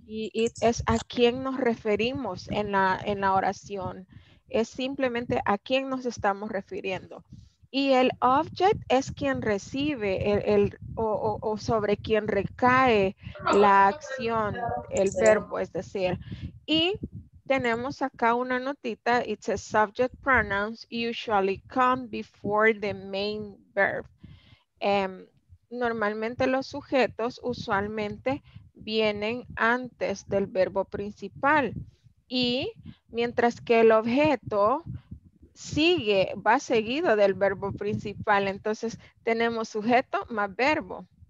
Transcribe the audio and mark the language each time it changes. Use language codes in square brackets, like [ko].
[es] Y it es a quién nos referimos en la oración. Es simplemente a quién nos estamos refiriendo. Y el object es quien recibe o sobre quien recae la acción, el verbo, es decir. Y tenemos acá una notita. [en] It says subject pronouns usually come before the main verb. [es] Normalmente los sujetos usualmente vienen antes del verbo principal y mientras que el objeto sigue, va seguido del verbo principal, entonces tenemos sujeto más verbo.